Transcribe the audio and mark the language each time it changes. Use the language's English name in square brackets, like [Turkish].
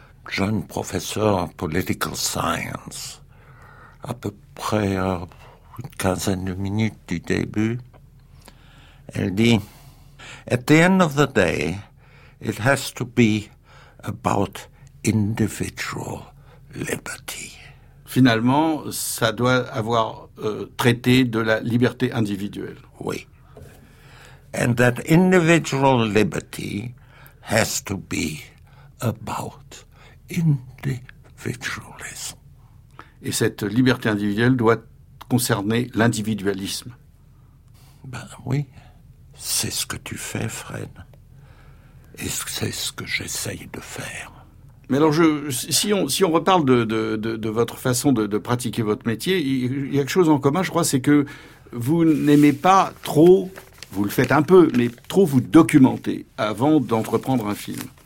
[French] Jeune professeur en political science, à peu près une quinzaine de minutes du début, elle dit, [English] at the end of the day, it has to be about individual liberty. [French] Finalement, ça doit avoir traité de la liberté individuelle. Oui. [English] And that individual liberty has to be about individualism. [French] Et cette liberté individuelle doit concerner l'individualisme. Ben oui, c'est ce que tu fais, Fred. Et c'est ce que j'essaye de faire. Mais alors, si on reparle de votre façon de pratiquer votre métier, il y a quelque chose en commun, je crois, c'est que vous n'aimez pas trop, vous le faites un peu, mais trop vous documenter avant d'entreprendre un film.